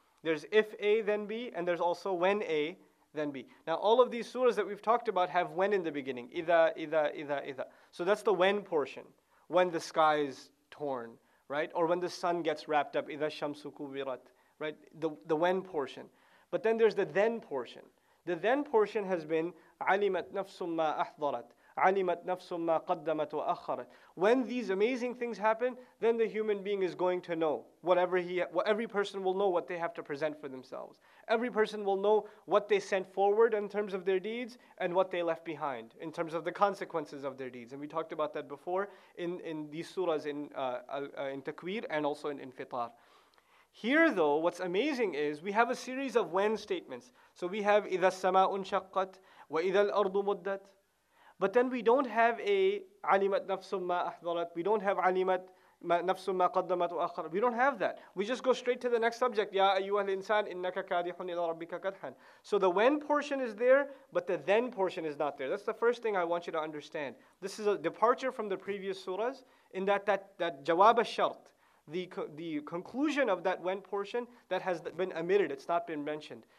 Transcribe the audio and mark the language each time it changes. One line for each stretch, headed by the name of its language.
English: There's if A, then B, and there's also when A, then B. Now, all of these surahs that we've talked about have when in the beginning. Idha, idha, idha, idha. So that's the when portion. When the sky is torn. Right? Or when the sun gets wrapped up. Idha shamsu kuwirat. Right, the when portion. But then there's the then portion. The then portion has been
Arabic: عَلِمَتْ نَفْسٌ مَّا أَحْضَرَتْ عَلِمَتْ نَفْسٌ مَّا قَدَّمَتْ وَأَخَّرَتْ.
English: When these amazing things happen, then the human being is going to know. Every person will know what they have to present for themselves. Every person will know what they sent forward in terms of their deeds and what they left behind in terms of the consequences of their deeds. And we talked about that before in these surahs in Takwir and also in Infitar. Here, though, what's amazing is we have a series of when statements. So we have
Arabic: إِذَا السَّمَاءُ انشَقَّتْ وَإِذَا الْأَرْضُ مُدَّتْ.
English: But then we don't have a
Arabic: عَلِمَتْ نَفْسٌ مَّا أَحْضَرَتْ.
English: We don't have
Arabic: عَلِمَتْ نَفْسٌ مَّا قَدَّمَتْ وَأَخَّرَتْ.
English: We don't have that. We just go straight to the next subject.
Arabic: يَا أَيُّهَا الْإِنسَانِ إِنَّكَ كَادِحٌ إِلَى رَبِّكَ كَدْحًا.
English: So the when portion is there, but the then portion is not there. That's the first thing I want you to understand. This is a departure from the previous surahs in that جَوَابَ الشَّرْط. The conclusion of that when portion that has been omitted, it's not been mentioned.